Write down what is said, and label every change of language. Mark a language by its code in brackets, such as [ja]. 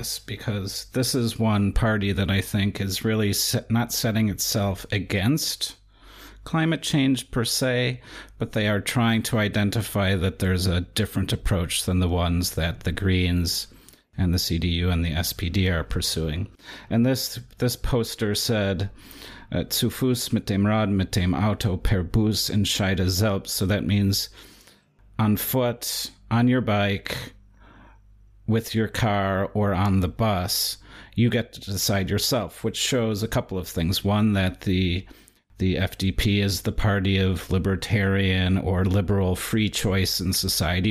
[en] this, because this is one party that I think is really not setting itself against climate change per se, but they are trying to identify that there's a different approach than the ones that the Greens and the CDU and the SPD are pursuing. [de] And this poster said, zu Fuß mit dem Rad, mit dem Auto, per Bus, entscheide selbst. [en] So that means on foot, on your bike, with your car, or on the bus, you get to decide yourself, which shows a couple of things. One, that the FDP is the party of libertarian or liberal free choice in society.